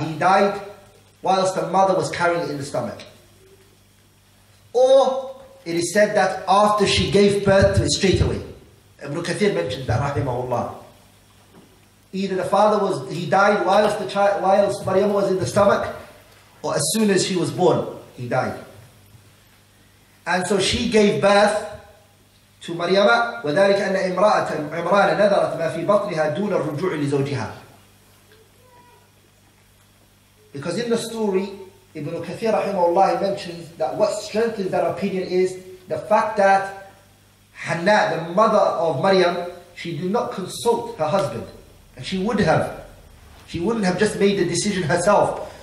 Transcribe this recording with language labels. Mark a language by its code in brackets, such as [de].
[en] He died whilst the mother was carrying it in the stomach. Or it is said that after she gave birth to it straight away. Ibn Kathir mentioned that, rahimahullah. Either the father was, he died whilst the child, whilst Maryam was in the stomach, or as soon as she was born, he died. And so she gave birth to Maryam. [ar] وذلك أن امرأة عمران نذرت ما في بطنها دون الرجوع لزوجها. [en] Because in the story, Ibn Kathir rahimahullah mentions that what strengthens that opinion is the fact that Hannah, the mother of Maryam, she did not consult her husband. And she wouldn't have just made the decision herself